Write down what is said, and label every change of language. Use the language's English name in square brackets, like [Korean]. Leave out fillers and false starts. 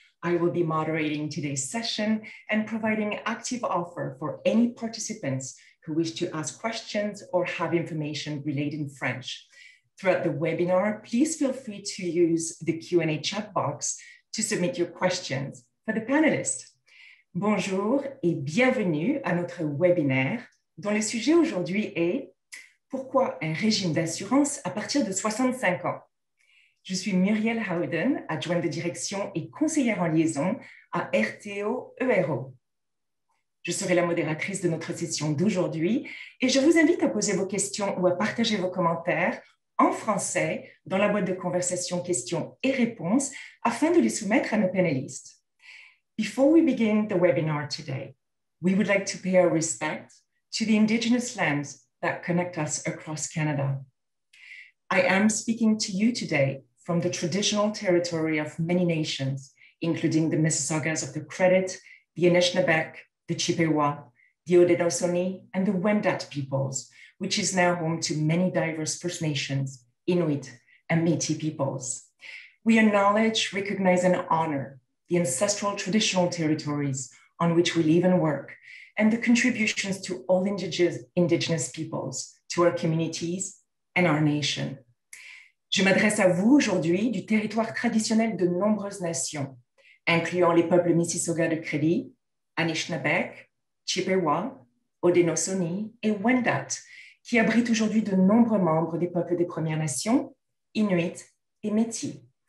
[English] I will be moderating today's session and providing active offer for any participants who wish to ask questions or have information relating French. Throughout the webinar, please feel free to use the Q&A chat box to submit your questions for the panelists. [French] Bonjour et bienvenue à notre webinaire, dont le sujet aujourd'hui est Pourquoi un régime d'assurance à partir de 65 ans? Je suis Muriel Howden, adjointe de direction et conseillère en liaison à rtoero. Je serai la modératrice de notre session d'aujourd'hui et je vous invite à poser vos questions ou à partager vos commentaires en français dans la boîte de conversation questions et réponses afin de les soumettre à nos panélistes. [English] Before we begin the webinar today, we would like to pay our respect to the Indigenous lands that connect us across Canada. I am speaking to you today from the traditional territory of many nations, including the Mississaugas of the Credit, the Anishinaabeg, the Chippewa, the Haudenosaunee, and the Wendat peoples, which is now home to many diverse First Nations, Inuit, and Métis peoples. We acknowledge, recognize, and honor the ancestral traditional territories on which we live and work, and the contributions to all Indigenous peoples, to our communities, and our nation. [French] Je m'adresse à vous aujourd'hui du territoire traditionnel de nombreuses nations, incluant les peuples Mississauga de Credit, Anishinaabeg, Chippewa, Haudenosaunee et Wendat, qui abritent aujourd'hui de nombreux membres des peuples des Premières Nations, Inuit et Métis.